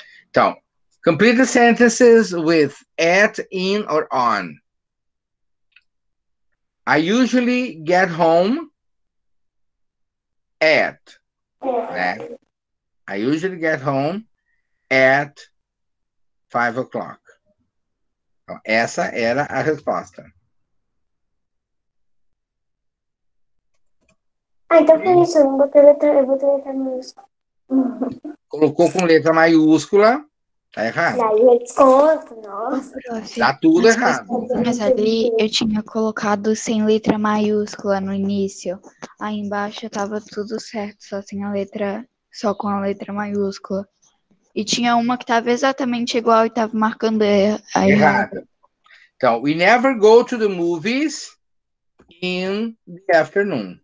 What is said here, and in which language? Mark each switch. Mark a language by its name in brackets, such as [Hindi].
[Portuguese] Então, [English] complete the sentences with at, in, or on. I usually get home at. [Portuguese] Né? [English] I usually get home at 5 o'clock. [Portuguese] Então, essa era a resposta. Ah, então foi isso, eu botei letra maiúscula. Colocou com letra maiúscula, tá errado. E aí eu desconto, nossa. Tá tudo mas errado. Mas ali eu tinha colocado sem letra maiúscula no início. Aí embaixo tava tudo certo, só sem a letra, só com a letra maiúscula. E tinha uma que tava exatamente igual e tava marcando errado. Então, [English] we never go to the movies in the afternoon.